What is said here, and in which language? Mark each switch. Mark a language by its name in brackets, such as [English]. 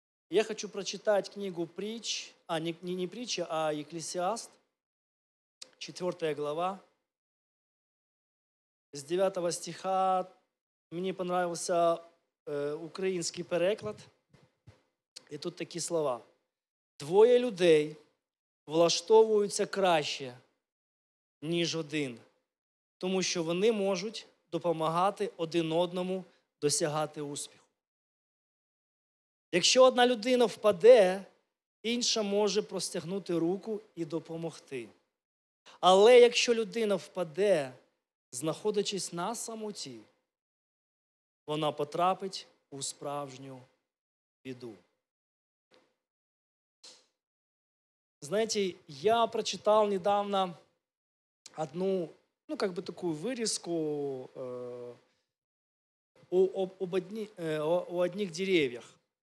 [Russian] Я хочу прочитать книгу «Притч», не притча, а «Екклесиаст», 4 глава, с 9 стиха. Мне понравился украинский переклад. И тут [Ukrainian] такі слова. Двоє людей влаштовуються краще, ніж один, тому що вони можуть допомагати один одному досягати успіху. Якщо одна людина впаде, інша може простягнути руку і допомогти. Але якщо людина впаде, знаходячись на самоті, вона потрапить у справжню біду. [Russian] Знаете, я прочитал недавно одну, ну, как бы такую вырезку о одних деревьях.